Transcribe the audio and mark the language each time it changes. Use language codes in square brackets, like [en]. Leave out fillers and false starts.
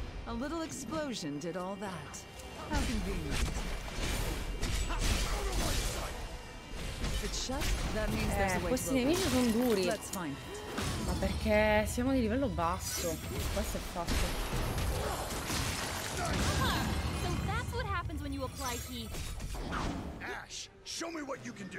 [en] A little explosion did all that. How convenient. If it's shut, that means there's a way to [it] questi nemici sono duri. [en] Let's find. [it] Ma perché siamo di livello basso? Questo è fatto. [en] So that's what happens when you apply heat. Ash, show me what you can do.